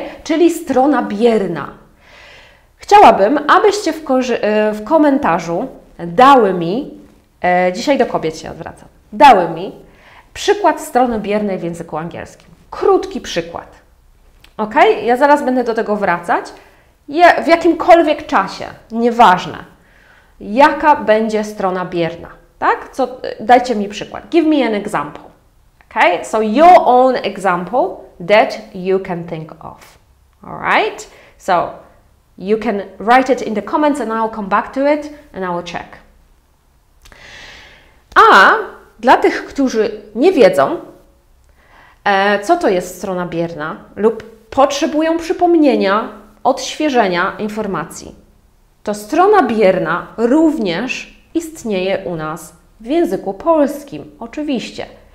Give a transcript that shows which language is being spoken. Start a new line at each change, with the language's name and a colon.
Polish: Czyli strona bierna. Chciałabym, abyście w komentarzu dały mi, dzisiaj do kobiet się odwracam, dały mi przykład strony biernej w języku angielskim. Krótki przykład. Ok? Ja zaraz będę do tego wracać. W jakimkolwiek czasie, nieważne, jaka będzie strona bierna. Tak? Co, dajcie mi przykład.
English: Give me an example.
Polish: Okay?
English: So your own example that you can think of. Alright? So you can write it in the comments and I'll come back to it and I will check.
Polish: A dla tych, którzy nie wiedzą, co to jest strona bierna lub potrzebują przypomnienia, odświeżenia informacji, to strona bierna również istnieje u nas w języku polskim, oczywiście.